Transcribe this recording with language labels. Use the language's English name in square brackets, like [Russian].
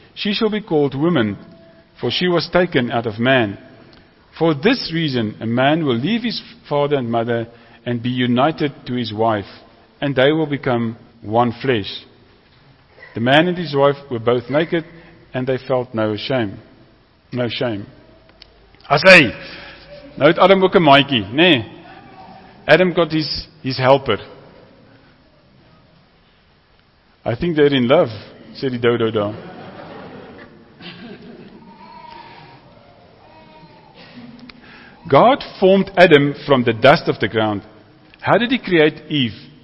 [English] She shall be called woman, for she was taken out of man. For this reason, a man will leave his father and mother and be united to his wife, and they will become one flesh." The man and his wife were both naked, and they felt no shame. No shame. [Afrikaans] As hy, nou het Adam ook 'n maatjie, nee. [English] Adam got his helper. I think they're in love, [Afrikaans] sê die dodo daar. [English] God formed Adam from the dust of the ground. How did he create Eve?